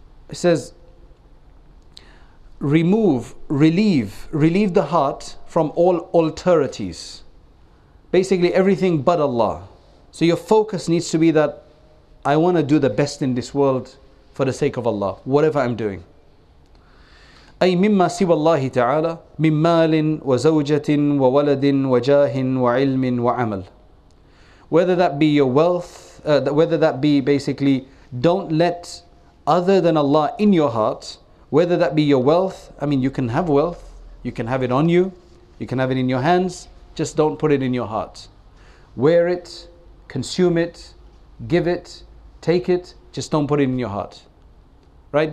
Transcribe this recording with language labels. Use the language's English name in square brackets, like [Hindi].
[English] He says, remove, relieve the heart from all alterities. Basically everything but Allah. So your focus needs to be that I want to do the best in this world for the sake of Allah, whatever I'm doing. [Arabic] أي مما سوى الله تعالى من مال وزوجة وولد وجاه وعلم وعمل. [English] Whether that be your wealth, whether that be basically, don't let other than Allah in your heart, whether that be your wealth, I mean you can have wealth, you can have it on you, you can have it in your hands, just don't put it in your heart. Wear it, consume it, give it, take it, just don't put it in your heart. Right?